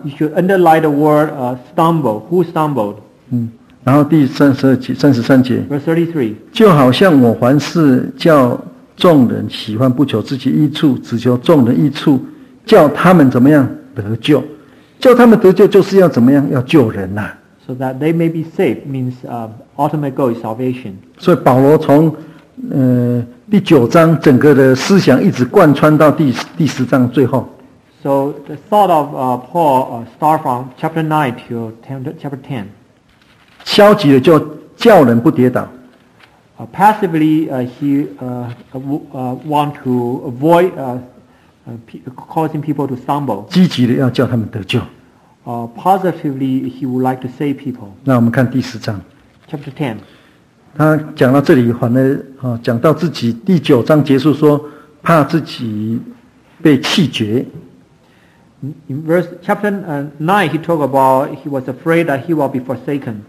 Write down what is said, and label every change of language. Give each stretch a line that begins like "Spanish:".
English: You should underline the word stumble. Who stumbled?
Chinese: 然后第三十二节、三十三节。
English: Verse 33.
Chinese: 就好像我凡事叫众人喜欢不求自己益处，只求众人益处。叫他们怎么样得救？叫他们得救就是要怎么样？要救人呐、啊。
English: So that they may be saved means ultimate goal is salvation.
Chinese: 所以保罗从第九章整个的思想一直贯穿到第十章最后。
English: So the thought of Paul start from chapter 9 to chapter 10.
Chinese: 消极的就叫人不跌倒。
English: Passively want to avoid causing people to stumble.
Chinese: 积极的要叫他们得救。
English: Positively, he would like to save people.
Chinese: 那我们看第十章。
English: Chapter 10.
Chinese: 他讲到这里，反而讲到自己第九章结束说，怕自己被弃绝。
English: In chapter 9, he talked about he was afraid that he will be forsaken.